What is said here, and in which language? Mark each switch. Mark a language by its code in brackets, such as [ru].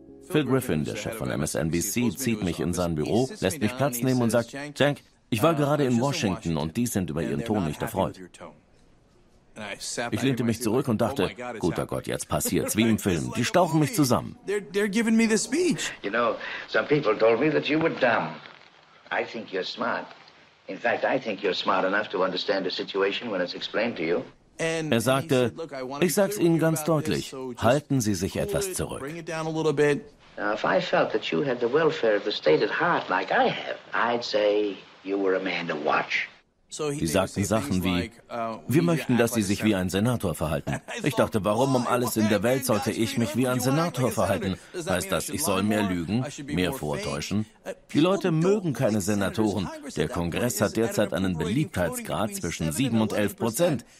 [de] Phil Griffin, der Chef von MSNBC, zieht mich in sein Büro, lässt mich Platz nehmen und sagt, Cenk, ich war gerade in Washington und die sind über ihren Ton nicht erfreut. Ich lehnte mich zurück und dachte, guter Gott, jetzt passiert's, wie im Film. Die stauchen mich zusammen. [en] They're giving me the speech. You know, some people told me that you were dumb. I think you're smart. In fact, I think you're smart enough to understand the situation when it's explained to you. [de] Er sagte, ich sag's Ihnen ganz deutlich, halten Sie sich etwas zurück. [en] Now, if I felt that you had the welfare of the state at heart like I have, I'd say you were a man to watch. [de] Sie sagten Sachen wie, wir möchten, dass Sie sich wie ein Senator verhalten. Ich dachte, warum um alles in der Welt sollte ich mich wie ein Senator verhalten? Heißt das, ich soll mehr lügen, mehr vortäuschen? Die Leute mögen keine Senatoren. Der Kongress hat derzeit einen Beliebtheitsgrad zwischen 7% und 11%.